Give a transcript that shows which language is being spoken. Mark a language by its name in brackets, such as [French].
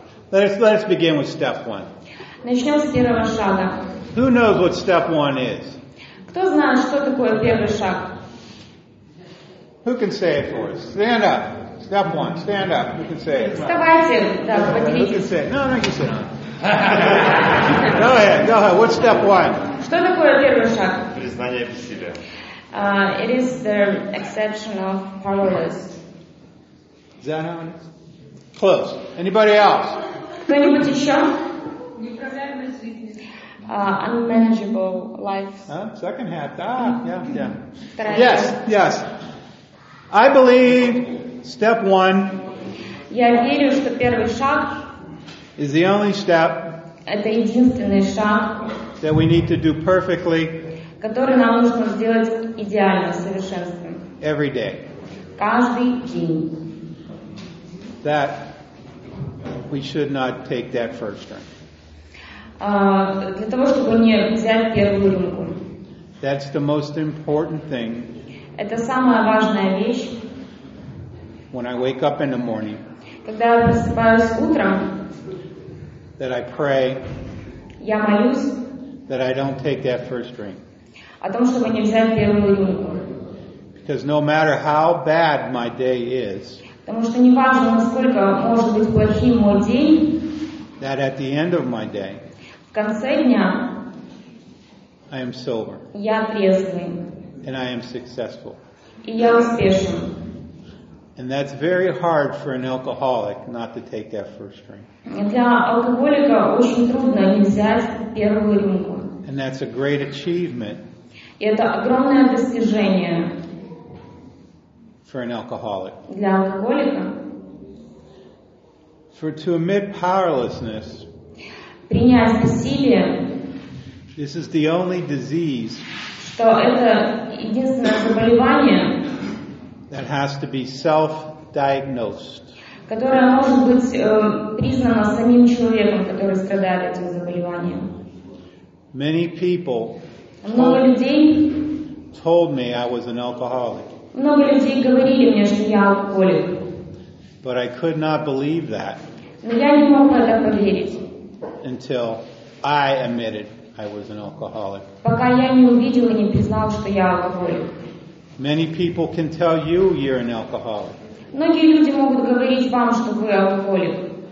[English] Let's begin with step one. [Russian] Начнем с первого шага. [English] Who knows what step one is? [Russian] Кто знает, что такое первый шаг? [English] Who can say it for us? Stand up. Step one. Stand up. Who can say it? [Russian] Вставайте. Да, поделитесь. [English] Who can say it? No, no, you sit on. Go ahead. Go ahead. What's step one? [Russian] Что такое первый шаг? Признание бессилия. [English] It is the exception of powerless. Is that how it is? Close. Anybody else? [Russian] Кто-нибудь еще? Неправильная жизнь. [English] Unmanageable life. Second half. Yeah. Yes. I believe step one. [Russian] Я верю, что первый шаг. [English] Is the only step. [Russian] Это единственный шаг. [English] That we need to do perfectly. [Russian] Который нам нужно сделать идеально, совершенством. [English] Every day. [Russian] Каждый день. [English] That we should not take that first turn. [Russian] Для того, чтобы не взять первую рюмку. [English] That's the most important thing. [Russian] Это самая важная вещь. [English] When I wake up in the morning. [Russian] Когда я просыпаюсь утром. [English] That I pray. [Russian] Я молюсь. [English] That I don't take that first drink. [Russian] О том, чтобы не взять первую рюмку. [English] Because no matter how bad my day is. [Russian] Потому что не важно, насколько может быть плохим мой день. [English] That at the end of my day. [Russian] В конце дня [English] I am sober. [Russian] Я трезвый. [English] And I am successful. [Russian] И я успешен. [English] And that's very hard for an alcoholic not to take that first drink. [Russian] Для алкоголика очень трудно не взять первую рюмку. [English] And that's a great achievement. [Russian] И это огромное достижение. [English] For an alcoholic. [Russian] Для алкоголика. [English] For to admit powerlessness. [Russian] Принять бессилие. [English] This is the only disease. [Russian] Что это единственное заболевание. [English] That has to be self diagnosed. [Russian] Которая может быть признана самим человеком, который страдает этим заболеванием. [English] Many people told me I was an alcoholic. [Russian] Много людей говорили мне, что я алкоголик. [English] But I could not believe that. [Russian] Но я не мог в это поверить. [English] Until I admitted I was an alcoholic. [Russian] Пока я не увидел и не признал, что я алкоголик. [English] Many people can tell you you're an alcoholic. [Russian] Многие люди могут говорить вам, что вы алкоголик.